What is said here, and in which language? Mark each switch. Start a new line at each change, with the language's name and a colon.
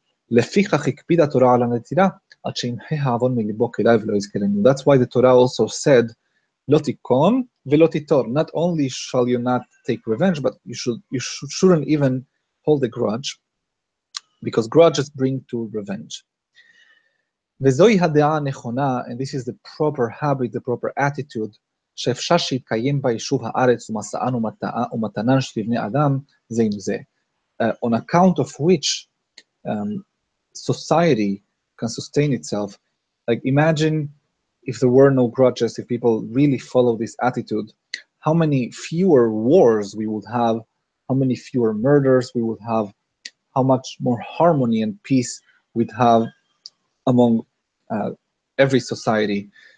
English: That's why the Torah also said,
Hebrew: "Lotikom velotitor."
English: Not only shall you not take revenge, but you shouldn't even hold a grudge, because grudges bring to revenge.
Hebrew: וזוהי הדעה הנכונה,
English: and this is the proper habit, the proper attitude,
Hebrew: שאפשר שיתקיים ביישוב הארץ ומסען ומתנן של בני אדם זה עם זה.
English: On account of which society can sustain itself. Like, imagine if there were no grudges, if people really follow this attitude, how many fewer wars we would have, how many fewer murders we would have, how much more harmony and peace we'd have among every society.